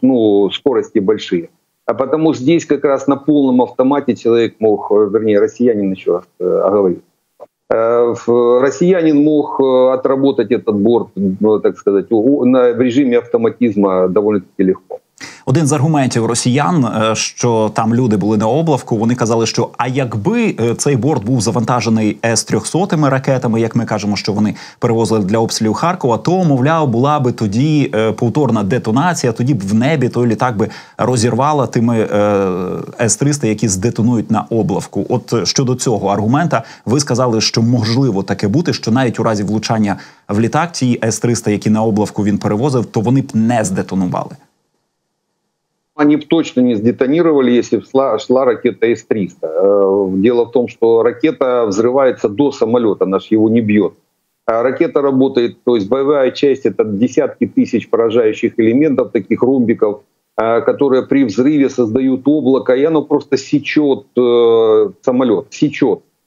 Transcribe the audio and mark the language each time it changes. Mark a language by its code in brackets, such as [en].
[ru] Ну, скорости большие. А потому здесь как раз на полном автомате человек мог, вернее, россиянин еще раз оговорить. Россиянин мог отработать этот борт, так сказать, [uk] в режимі [ru] автоматизма довольно-таки легко. [uk] Один з аргументів росіян, що там люди були на облавку, вони казали, що а якби цей борт був завантажений С-300-ми ракетами, як ми кажемо, що вони перевозили для обстрілів Харкова, то, мовляв, була би тоді повторна детонація, тоді б в небі той літак би розірвало тими С-300, які здетонують на облавку. От щодо цього аргумента, ви сказали, що можливо таке бути, що навіть у разі влучання в літак ті С-300, які на облавку він перевозив, то вони б не здетонували. [ru] Они бы точно не сдетонировали, если бы шла ракета С-300. Дело в том, что ракета взрывается до самолета, она же его не бьет. А ракета работает, то есть боевая часть — это десятки тысяч поражающих элементов, таких ромбиков, которые при взрыве создают облако, и оно просто сечет самолет, сечет.